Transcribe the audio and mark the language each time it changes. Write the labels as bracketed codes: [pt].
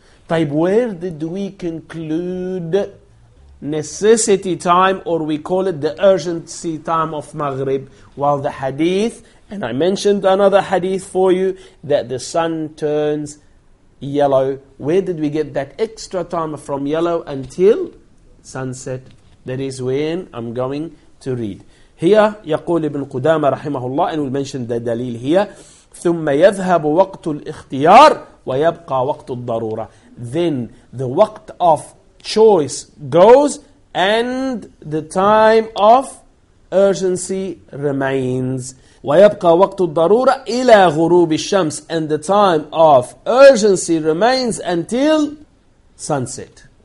[en] Taib, where did we conclude necessity time, or we call it the urgency time of Maghrib? While the hadith, and I mentioned another hadith for you, that the sun turns yellow. Where did we get that extra time from yellow until sunset? That is when I'm going to read. Here, [ar] يقول ابن قدامة رحمه الله, [en] and we'll mention the [ar] دليل here, ثُمَّ يَذْهَبُ وَقْتُ الْإِخْتِيَارِ وَيَبْقَى وَقْتُ الضَّرُورَةِ. [en] Then the وقت of choice goes and the time of urgency remains. [ar] وَيَبْقَى وَقْتُ الضَّرُورَةِ إِلَى غُرُوبِ الشَّمْسِ. [en] And the time of urgency remains until sunset.